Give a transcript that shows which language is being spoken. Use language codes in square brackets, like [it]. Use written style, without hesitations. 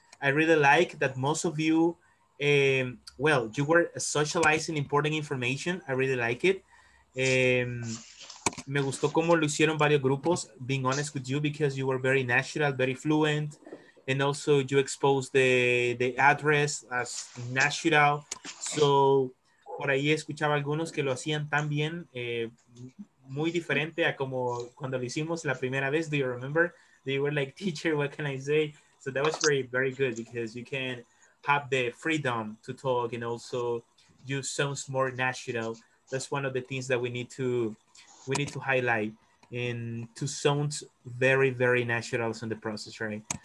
[en] I really like that most of you, you were socializing important information. I really like it. [es] Me gustó cómo lo hicieron varios grupos, [en] being honest with you, because you were very natural, very fluent. And also you exposed the address as natural. [es] So por ahí escuchaba algunos que lo hacían tan bien, muy diferente a como cuando lo hicimos la primera vez. [en] Do you remember? They were like, teacher, what can I say? So that was very, very good because you can have the freedom to talk and also you sound more natural. That's one of the things that we need to highlight and to sound very, very natural in the process, right?